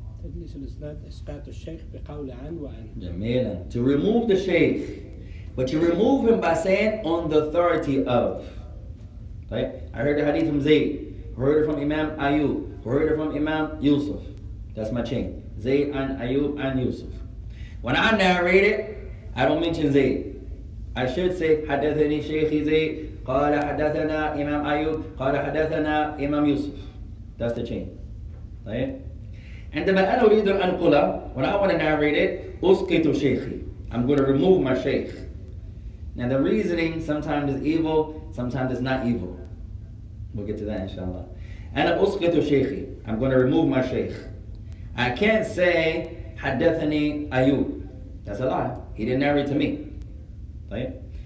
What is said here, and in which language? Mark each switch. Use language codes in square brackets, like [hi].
[ar] تدليس الإسناد إسقاط الشيخ بقول عن وعن. [en] جميلا. To remove the sheikh. But you remove him by saying on the authority of. طيب. I heard the hadith from Zayd. Heard it from Imam Ayub. Heard it from Imam Yusuf. That's my chain. Zayd and Ayub and Yusuf. When I narrate it, I don't mention Zayd. I should say, [ar] حدثني شيخي زيد. قال حدثنا Imam Ayub. قال حدثنا [en] Imam Yusuf. That's the chain. Right? And then [ar] أنا أريد أن أقول, [en] when I want to narrate it, [ar] أسقط شيخي. [en] I'm going to remove my sheikh. Now the reasoning sometimes is evil, sometimes it's not evil. We'll get to that inshallah. [ar] أنا أسقط شيخي. [en] I'm going to remove my sheikh. I can't say [ar] حدثني أيوب. [en] That's a lie. He didn't narrate to me. طيب.